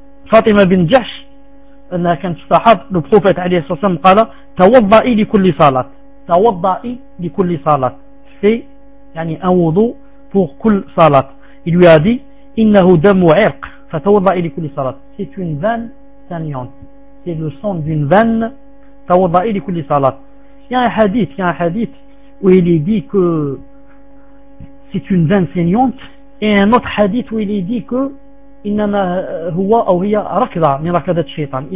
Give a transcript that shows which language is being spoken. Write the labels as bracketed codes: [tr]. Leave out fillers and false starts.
[fr] Fatima bin Jahsh, elle a quand même sahab, le prophète alayhi sallam, [ar] قال توضئي لكل صلاة. توضئي لكل صلاة. [fr] C'est يعني un wudu pour [ar] كل صلاة. [fr] Il lui a dit, [ar] إنه دم عرق فتوضأ إلى كل صلاة. [fr] C'est une veine saignante. C'est le sang d'une veine. [ar] توضأ إلى كل صلاة. [fr] Il y a un hadith où il est dit que c'est une veine saignante. Et un autre hadith où il est dit que [ar] إنما هو أو هي ركضة من ركضة الشيطان.